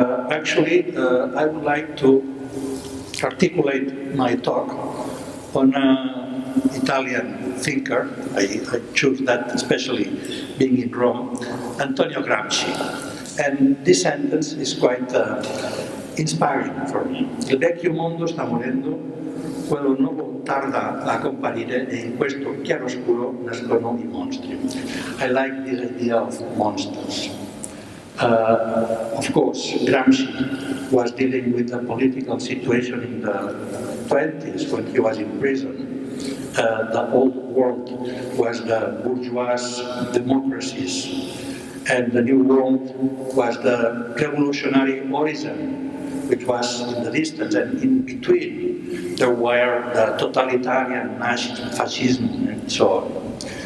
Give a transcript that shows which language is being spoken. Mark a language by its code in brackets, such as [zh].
[en] I would like to articulate my talk on an Italian thinker. I choose that especially being in Rome, Antonio Gramsci. And this sentence is quite inspiring for me. [it] Il vecchio mondo sta morendo, quello nuovo tarda a comparire, e in questo chiaroscuro nascono i mostri. [en] I like this idea of monsters. Of course, Gramsci was dealing with the political situation in the 20s when he was in prison. The old world was the bourgeois democracies, and the new world was the revolutionary horizon, which was in the distance, and in between there were the totalitarian fascism and so on.